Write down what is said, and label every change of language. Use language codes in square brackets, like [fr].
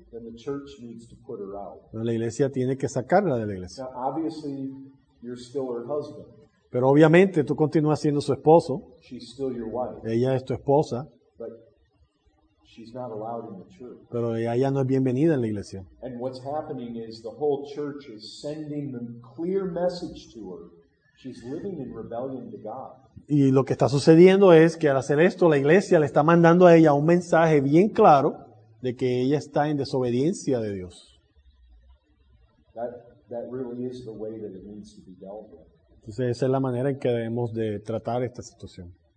[en] the [es] la iglesia tiene que sacarla de la iglesia. [en] Now, you're still her husband. [es] Pero obviamente tú continúas siendo su esposo. [en] She's still your wife. [es] Ella es tu esposa. [en] But she's not allowed in the church. [es] Pero ella no es bienvenida en la iglesia. [en] And what's happening is the whole church is sending the clear message to her. She's living in rebellion to God. [es] Y lo que está sucediendo es que al hacer esto, la iglesia le está mandando a ella un mensaje bien claro de que ella está en desobediencia de Dios. [en] That really is the way that it needs to be dealt with. [es] Entonces esa es la manera en que debemos de tratar esta situación.